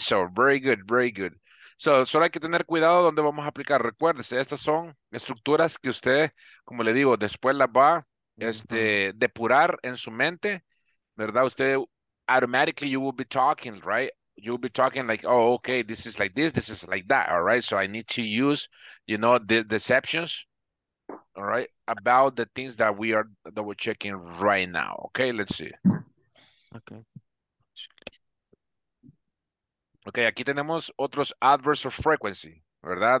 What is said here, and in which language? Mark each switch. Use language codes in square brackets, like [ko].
[en] So, very good, very good. So, [es] solo hay que tener cuidado donde vamos a aplicar. Recuérdese, estas son estructuras que usted, como le digo, después las va depurar en su mente, ¿verdad? Usted, [en] automatically you will be talking, right? You will be talking like, oh, okay, this is like that, all right? So, I need to use, you know, the deceptions, all right? About the things that we are, that we're checking right now, okay? Let's see. Okay. [es] Ok, aquí tenemos otros [en] adverbs of frequency, [es] ¿verdad?